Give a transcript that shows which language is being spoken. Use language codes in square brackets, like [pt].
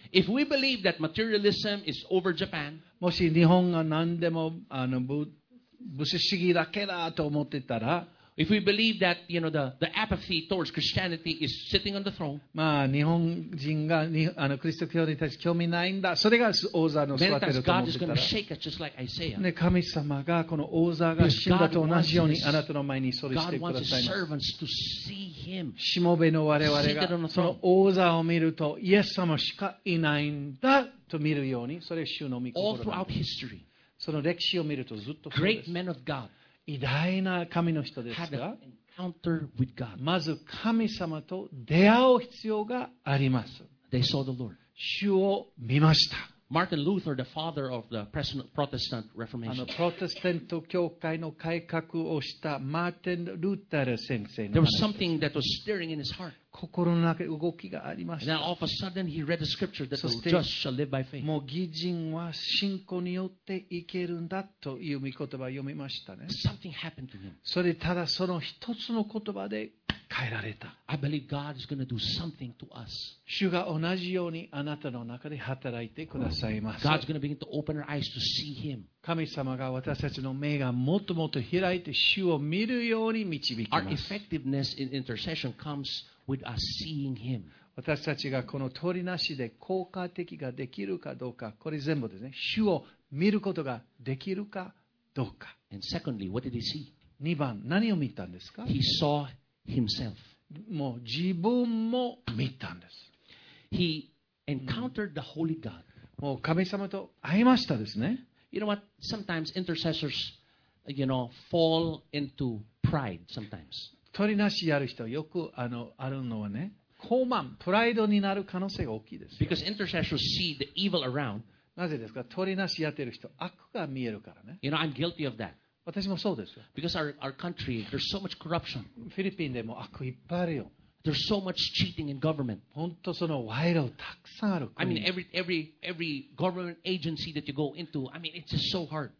[en] If we believe that materialism is over Japan, [ja] もし日本が何でも物質主義だけだと思ってたら、 [en] If we believe that, you know, the apathy towards Christianity is sitting on the throne. [ja] まあ、日本人がキリスト教に対して興味ないんだ。それが王座の座ってると思ってたら。 [en] Many times God is going to shake us just like Isaiah. [ja] ね、神様がこの王座が死んだと同じようにあなたの前にそれしてくださいます。 [en] God wants His servants to see Him. [ja] しもべの我々がその王座を見ると、イエス様しかいないんだと見るように、それが主の御心。 [en] All throughout history. [ja] その歴史を見るとずっとそうです。 [en] Great men of God. [ja] 偉大な神の人ですが、まず神様と出会う必要があります。 [en] They saw the Lord. [ja] 主を見ました。 [en] Martin Luther, the father of the Protestant Reformation. [ja] プロテスタント教会の改革をしたマーティン・ルーター先生の話です。 [en] There was something that was stirring in his heart. [ja] 心の中で動きがありました。 [en] And then all of a sudden he read the scripture that the just shall live by faith. [ja] もう義人は信仰によって生けるんだという御言葉を読みましたね。 [en] Something happened to him. [ja] それただその一つの言葉で変えられた。 [en] I believe God is going to do something to us. [ja] 主が同じようにあなたの中で働いてくださいます。 [en] God's going to begin to open our eyes to see Him. [ja] 神様が私たちの目がもっともっと開いて主を見るように導きます。 [en] Our effectiveness in intercession comes with us seeing Him. [ja] 私たちがこの取りなしで効果的ができるかどうか、これ全部ですね。主を見ることができるかどうか。 [en] And secondly, what did he see? [ja] 二番、何を見たんですか? [en] He saw himself. [ja] もう自分も見たんです。 [en] He encountered the holy God. [ja] もう神様と会いましたですね。 [en] You know what? Sometimes intercessors, you know, fall into pride sometimes. [ja] 取りなしやる人よくあるのはね、高慢、プライドになる可能性が大きいです。 [en] Because intercessors see the evil around. [ja] なぜですか? 取りなしやってる人、悪が見えるからね。 [en] You know, I'm guilty of that. [ja] 私もそうですよ。 [en] Because our country, there's so much corruption. [ja] フィリピンでも悪いっぱいあるよ。 [en] There's so much cheating in government. [ja] 本当その賄賂たくさんある。 [en] I mean, every government agency that you go into, I mean, it's just so hard.